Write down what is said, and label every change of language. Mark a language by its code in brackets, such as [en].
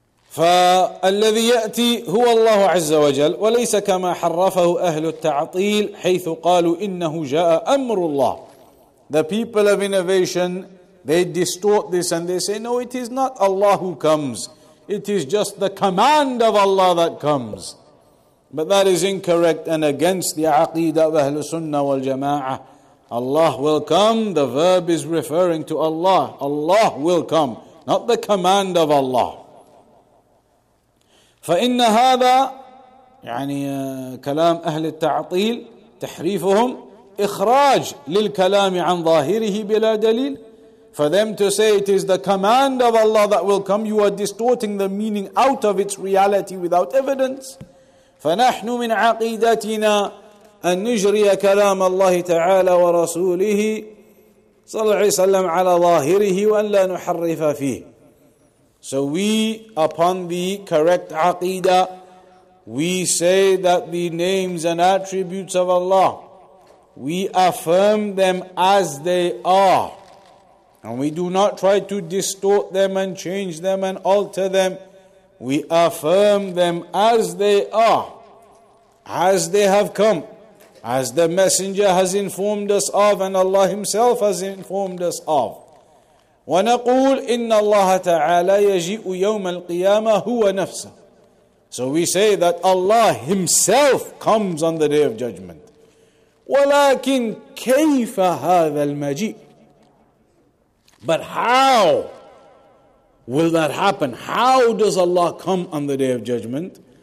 [ar] فالذي يأتي هو الله عز وجل وليس كما حرفه أهل التعطيل حيث قالوا إنه جاء أمر الله. [en] The people of innovation, they distort this and they say, no, it is not Allah who comes. It is just the command of Allah that comes. But that is incorrect and against the aqeedah of Ahl Sunnah wal Jama'ah. Allah will come. The verb is referring to Allah. Allah will come, not the command of Allah. [ar] فإن هذا يعني كلام أهل التعطيل تحريفهم إخراج للكلام عن ظاهره بلا دليل. [en] For them to say it is the command of Allah that will come, you are distorting the meaning out of its reality without evidence. [ar] فنحن من عقيدتنا أن نجري كلام الله تعالى ورسوله صلى الله عليه وسلم على ظاهره وأن لا نحرف فيه. [en] So we, upon the correct aqeedah, we say that the names and attributes of Allah, we affirm them as they are. And we do not try to distort them and change them and alter them. We affirm them as they are, as they have come, as the Messenger has informed us of and Allah Himself has informed us of. [ar] ونقول إن الله تعالى يجيء يوم القيامة هو نفسه. [en] So we say that Allah Himself comes on the Day of Judgment. [ar] ولكن كيف هذا المجيء؟ [en] But how will that happen? How does Allah come on the Day of Judgment?